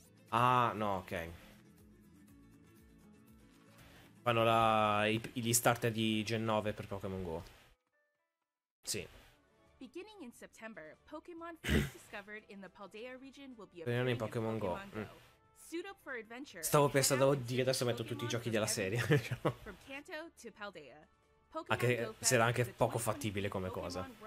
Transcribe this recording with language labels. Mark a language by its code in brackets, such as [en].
[it] Ah no, ok. Fanno gli starter di Gen 9 per Pokémon Go. Sì. [en] Beginning in September, Pokémon first discovered in the Paldea region will be appearing in Pokémon Go. Suit up for adventure. [it] Stavo pensando, oddio, adesso metto tutti i giochi della serie. [en] From Kanto to Paldea. [it] Anche se era anche poco fattibile come cosa.